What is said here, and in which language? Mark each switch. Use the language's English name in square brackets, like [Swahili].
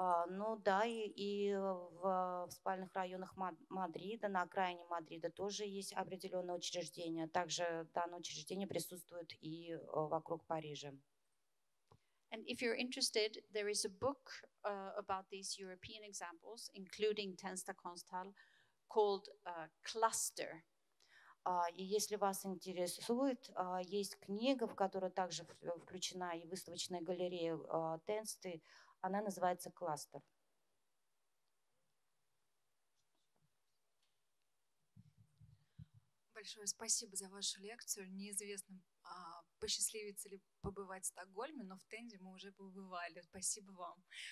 [Russian] Ну да, и в спальных районах Мадрида, на окраине Мадрида тоже есть определенные учреждения. Также данное учреждение присутствует и вокруг Парижа. [English] And if you're interested, there is a book about these European examples, including Tensta Kunsthall, called Cluster. [Russian] И если вас интересует, есть книга, в которую также включена и выставочная галерея Тенсты. Она называется «Кластер». Большое спасибо за вашу лекцию. Неизвестно, посчастливится ли побывать в Стокгольме, но в Тенсте мы уже побывали. Спасибо вам.